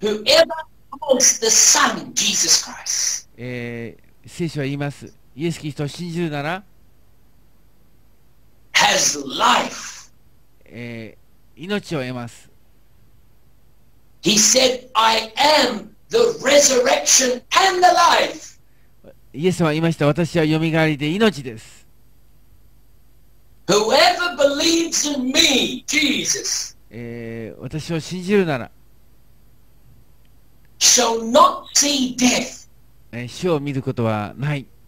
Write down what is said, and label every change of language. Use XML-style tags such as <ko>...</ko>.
<en>The Bible says, Whoever The Son, Jesus Christ.</en> <ja>聖書は言います。イエス・キリストを信じるなら、</ja> <en>has life.</en> <ja>命を得ます。</ja> <en>He said, I am the resurrection and the life.</en> <ja>イエスは言いました。私はよみがえりで命です。</ja> <en>Whoever believes in me, Jesus,</en> <ja>私を信じるなら、</ja> <en>shall not see death.</en> <ja>死を見ることはない。</ja>